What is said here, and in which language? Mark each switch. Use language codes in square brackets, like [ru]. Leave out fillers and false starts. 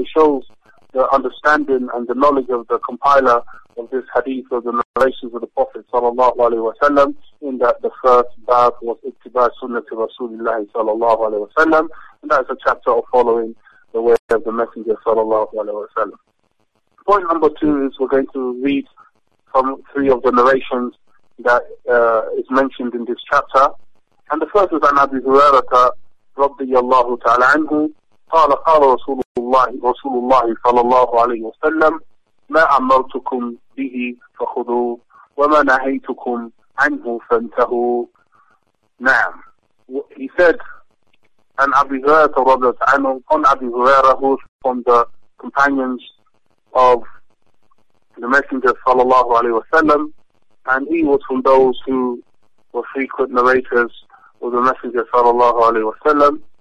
[en] It shows the understanding and the knowledge of the compiler of this hadith of the narrations of the Prophet sallallahu alayhi wa sallam, in that the first bath was ittiba sunnah to Rasulullah sallallahu alayhi wa sallam, and that is a chapter of following the way of the Messenger sallallahu alayhi wa sallam. Point number two is we're going to read from three of the narrations that is mentioned in this chapter. And the first is an Abi Hurairah [ar] radiyallahu ta'ala anhu, قال قال رسول الله صلى الله عليه وسلم ما أمرتكم به فخذوا وما نهيتكم عنه فانتهوا. نعم. [en] He said, and Abi Hurairah radiyallahu ta'ala anhu, on Abi Hurairah, who's from the companions of the Messenger sallallahu alayhi wa sallam, and he was from those who were frequent narrators of the Messenger sallallahu alayhi wa sallam.